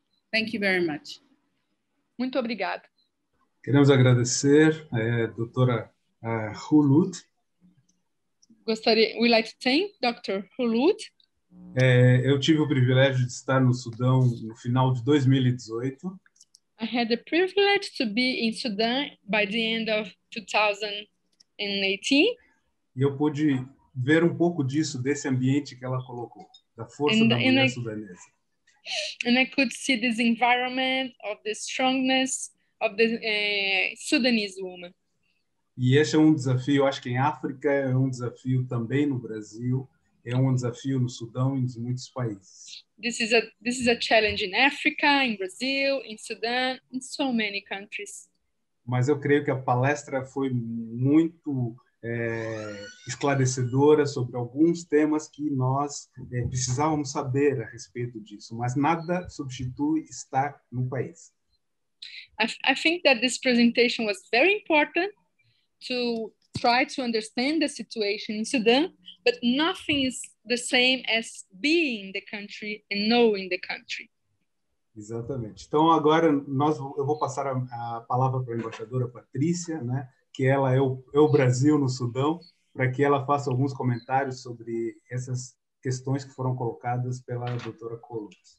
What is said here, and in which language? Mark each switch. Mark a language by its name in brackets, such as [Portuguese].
[English] Thank you very much. [Portuguese] Muito obrigada. Queremos agradecer a doutora Hulud. [English] We'd like to thank Dr. Hulud. [Portuguese] Eu tive o privilégio de estar no Sudão no final de 2018. [English] I had the privilege to be in Sudan by the end of 2018. [Portuguese] E eu pude ver um pouco disso, desse ambiente que ela colocou, da força da mulher sudanesa. [English] And I could see this environment of the strongness of the Sudanese woman. [Portuguese] E esse é um desafio, acho que em África é um desafio também no Brasil, é um desafio no Sudão e em muitos países. [English] This is a challenge in Africa, in Brazil, in Sudan, in so many countries. [Portuguese] Mas eu creio que a palestra foi muito esclarecedora sobre alguns temas que nós precisávamos saber a respeito disso, mas nada substitui estar no país. [English] I think that this presentation was very important to try to understand the situation in Sudan, but nothing is the same as being the country and knowing the country. [Portuguese] Exatamente. Então agora eu vou passar a palavra para a embaixadora Patrícia, né? Que ela é o Brasil no Sudão, para que ela faça alguns comentários sobre essas questões que foram colocadas pela doutora Colos.